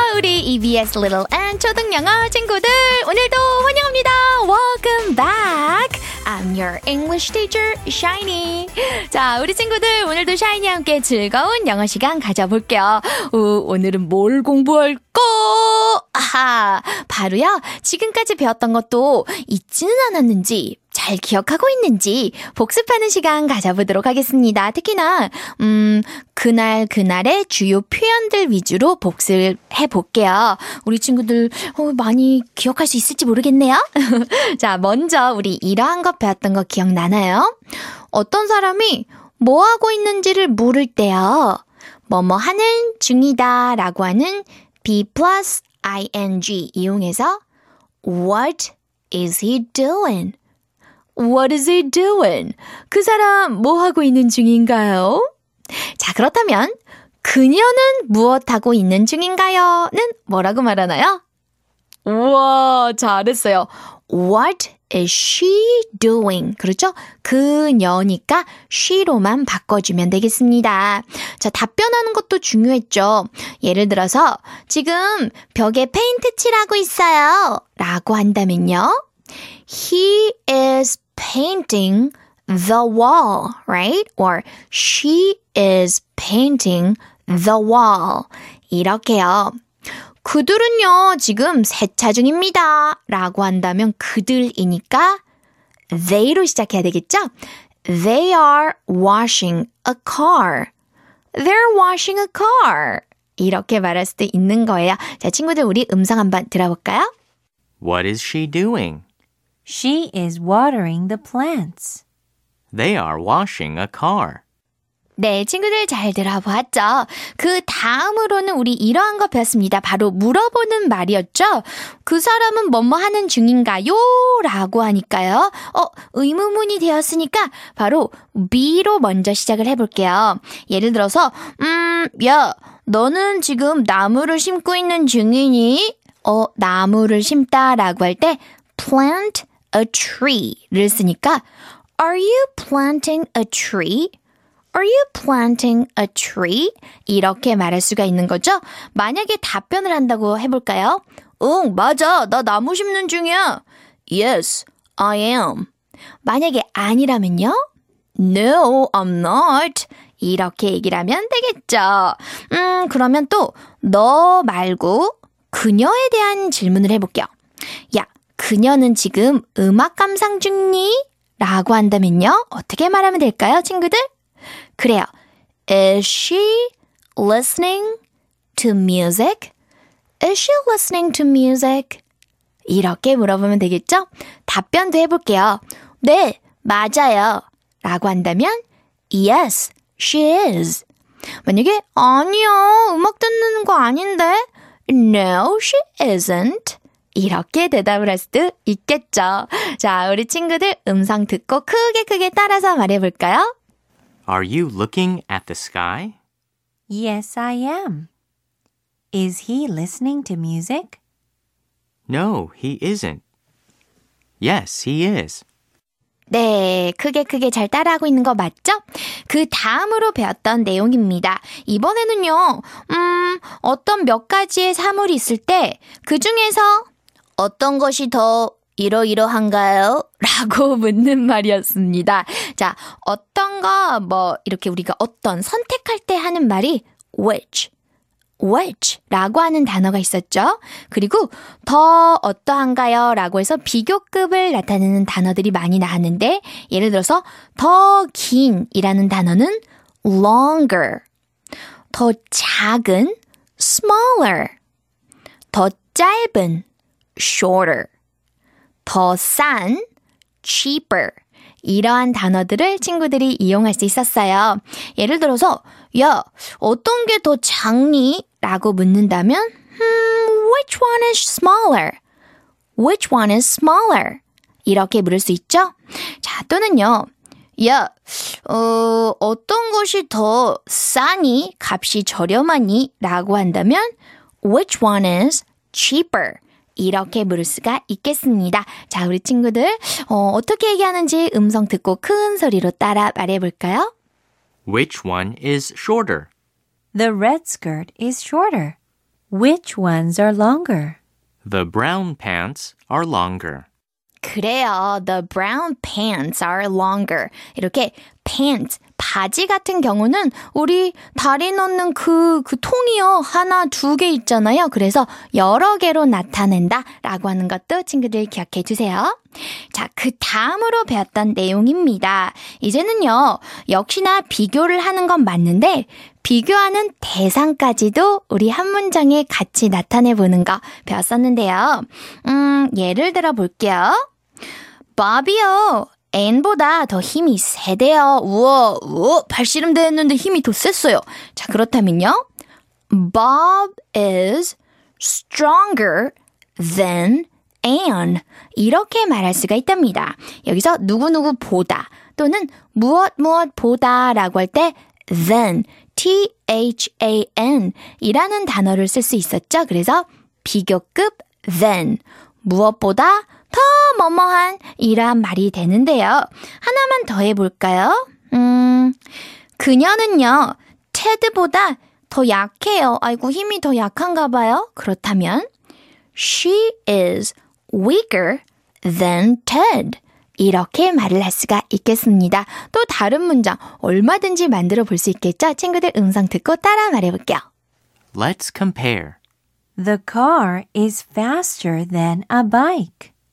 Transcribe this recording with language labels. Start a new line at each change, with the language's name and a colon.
Korean: 우리 EBS Little and 초등 영어 친구들 오늘도 환영합니다.
English: Welcome back. I'm your English teacher, Shiny.
Korean: 자, 우리 친구들 오늘도 Shiny와 함께 즐거운 영어 시간 가져볼게요. 오늘은 뭘 공부할까? 아하, 바로요. 지금까지 배웠던 것도 잊지는 않았는지 잘 기억하고 있는지 복습하는 시간 가져보도록 하겠습니다. 특히나 그날 그날의 주요 표현들 위주로 복습해 볼게요. 우리 친구들 많이 기억할 수 있을지 모르겠네요. 자, 먼저 우리 이러한 것 배웠던 거 기억나나요? 어떤 사람이 뭐 하고 있는지를 물을 때요. 뭐뭐 하는 중이다 라고 하는 be plus ing 이용해서
English: what is he doing? What is he doing?
Korean: 그 사람 뭐 하고 있는 중인가요? 자, 그렇다면 그녀는 무엇하고 있는 중인가요? 는 뭐라고 말하나요? 우와, 잘했어요.
English: What is she doing?
Korean: 그렇죠? 그녀니까 she로만 바꿔주면 되겠습니다. 자, 답변하는 것도 중요했죠. 예를 들어서 지금 벽에 페인트 칠하고 있어요. 라고 한다면요.
English: He is painting the wall, right? Or she is painting the wall.
Korean: 이렇게요. 그들은요, 지금 세차 중입니다. 라고 한다면 그들이니까 they로 시작해야 되겠죠?
English: They are washing a car. They're washing a car.
Korean: 이렇게 말할 수도 있는 거예요. 자, 친구들 우리 음성 한번 들어볼까요?
English: What is she doing? She is watering the plants. They are washing a car.
Korean: 네, 친구들 잘 들어보았죠? 그 다음으로는 우리 이러한 거 배웠습니다. 바로 물어보는 말이었죠? 그 사람은 뭐뭐 하는 중인가요? 라고 하니까요. 의문문이 되었으니까 바로 be로 먼저 시작을 해볼게요. 예를 들어서, 야, 너는 지금 나무를 심고 있는 중이니? 나무를 심다 라고 할 때
English: plant a tree를
Korean: 쓰니까
English: Are you planting a tree? Are you planting a tree?
Korean: 이렇게 말할 수가 있는 거죠. 만약에 답변을 한다고 해볼까요? 응, 맞아. 나 나무 심는 중이야.
English: Yes, I am.
Korean: 만약에 아니라면요?
English: No, I'm not.
Korean: 이렇게 얘기를 하면 되겠죠. 그러면 또 너 말고 그녀에 대한 질문을 해볼게요. 야, 그녀는 지금 음악 감상 중니? 라고 한다면요. 어떻게 말하면 될까요, 친구들? 그래요.
English: Is she listening to music? Is she listening to music?
Korean: 이렇게 물어보면 되겠죠? 답변도 해볼게요. 네, 맞아요. 라고 한다면
English: Yes, she is.
Korean: 만약에 아니요, 음악 듣는 거 아닌데
English: No, she isn't.
Korean: 이렇게 대답을 할 수도 있겠죠. 자, 우리 친구들 음성 듣고 크게 크게 따라서 말해볼까요?
English: Are you looking at the sky? Yes, I am. Is he listening to music? No, he isn't. Yes, he is.
Korean: 네, 크게 크게 잘 따라하고 있는 거 맞죠? 그 다음으로 배웠던 내용입니다. 이번에는요, 어떤 몇 가지의 사물이 있을 때 그 중에서 어떤 것이 더 이러이러한가요? 라고 묻는 말이었습니다. 자, 어떤 거, 뭐 이렇게 우리가 어떤 선택할 때 하는 말이 which 라고 하는 단어가 있었죠. 그리고 더 어떠한가요? 라고 해서 비교급을 나타내는 단어들이 많이 나왔는데 예를 들어서 더 긴이라는 단어는 longer, 더 작은 smaller, 더 짧은 shorter, 더 싼, cheaper 이러한 단어들을 친구들이 이용할 수 있었어요. 예를 들어서 야, 어떤 게 더 작니? 라고 묻는다면
English: which one is smaller? Which one is smaller?
Korean: 이렇게 물을 수 있죠? 자, 또는요 야, 어떤 것이 더 싸니? 값이 저렴하니? 라고 한다면
English: which one is cheaper?
Korean: 이렇게 물을 수가 있겠습니다. 자, 우리 친구들 어떻게 얘기하는지 음성 듣고 큰 소리로 따라 말해볼까요?
English: Which one is shorter? The red skirt is shorter. Which ones are longer? The brown pants are longer.
Korean: 그래요.
English: The brown pants are longer.
Korean: 이렇게 pants, 바지 같은 경우는 우리 다리 넣는 그 통이요. 하나, 두 개 있잖아요. 그래서 여러 개로 나타낸다라고 하는 것도 친구들 기억해 주세요. 자, 그 다음으로 배웠던 내용입니다. 이제는요. 역시나 비교를 하는 건 맞는데 비교하는 대상까지도 우리 한 문장에 같이 나타내 보는 거 배웠었는데요. 예를 들어 볼게요. 바비요. 앤보다 더 힘이 세대요. 우와, 발씨름도 했는데 힘이 더 셌어요. 자, 그렇다면요.
English: Bob is stronger than Ann.
Korean: 이렇게 말할 수가 있답니다. 여기서 누구누구보다 또는 무엇무엇보다라고 할 때 than, T-H-A-N 이라는 단어를 쓸 수 있었죠. 그래서 비교급 than, 무엇보다 더 뭐뭐한 이란 말이 되는데요. 하나만 더 해볼까요? 그녀는요. 테드보다 더 약해요. 아이고, 힘이 더 약한가 봐요. 그렇다면
English: She is weaker than Ted.
Korean: 이렇게 말을 할 수가 있겠습니다. 또 다른 문장 얼마든지 만들어 볼 수 있겠죠? 친구들 음성 듣고 따라 말해볼게요.
English: Let's compare. The car is faster than a bike.